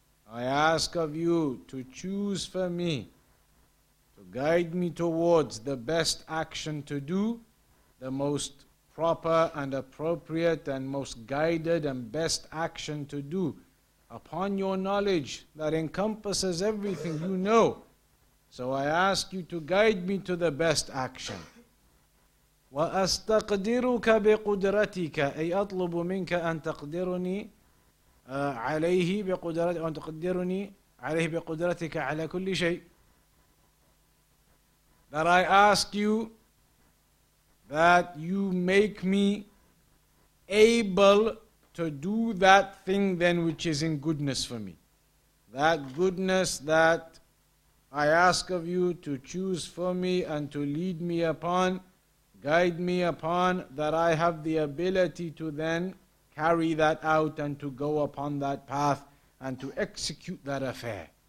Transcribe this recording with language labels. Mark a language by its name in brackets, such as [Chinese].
[English] I ask of you to choose for me, to guide me towards the best action to do, the most proper and appropriate and most guided and best action to do upon your knowledge that encompasses everything you know. So I ask you to guide me to the best action. [Arabic] وَأَسْتَقْدِرُكَ بِقُدْرَتِكَ أي أطلب منك أن تقدرني عليه بقدرتك أن تقدرني عليه بقدرتك على كل شيء. [English] That I ask you that you make me able to do that thing then which is in goodness for me. That goodness that I ask of you to choose for me and to lead me upon, guide me upon, that I have the ability to then carry that out and to go upon that path and to execute that affair.